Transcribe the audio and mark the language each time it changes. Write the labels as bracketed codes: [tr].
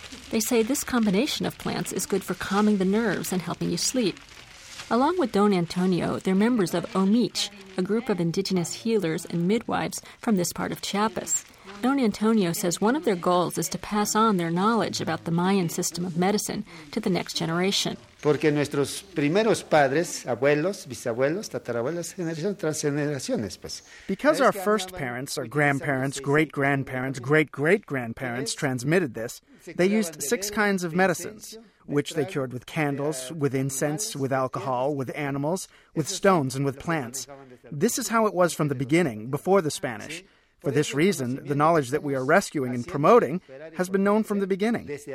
[en] They say this combination of plants is good for calming the nerves and helping you sleep. Along with Don Antonio, they're members of Omich, a group of indigenous healers and midwives from this part of Chiapas. Don Antonio says one of their goals is to pass on their knowledge about the Mayan system of medicine to the next generation. [es] Porque nuestros primeros padres, abuelos, bisabuelos, tatarabuelos, generaciones tras generaciones, pues. [en] Because our first parents, our grandparents, great-grandparents, great-great-grandparents transmitted this, they used six kinds of medicines, which they cured with candles, with incense, with alcohol, with animals, with stones, and with plants. This is how it was from the beginning, before the Spanish. For this reason, the knowledge that we are rescuing and promoting has been known from the beginning.